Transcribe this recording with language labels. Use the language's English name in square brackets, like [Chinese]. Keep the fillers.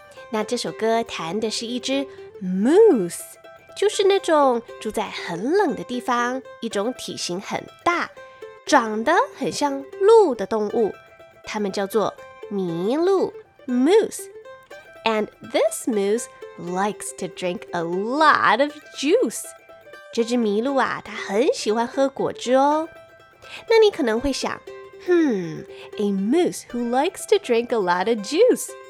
[Chinese] 那这首歌弹的是一只 moose。就是那种住在很冷的地方，一种体型很大、长得很像鹿的动物，它们叫做麋鹿 moose. [English] this moose likes to drink a lot of juice. [Chinese] 这只麋鹿啊，它很喜欢喝果汁哦。那你可能会想， [English] Hmm, a moose who likes to drink a lot of juice.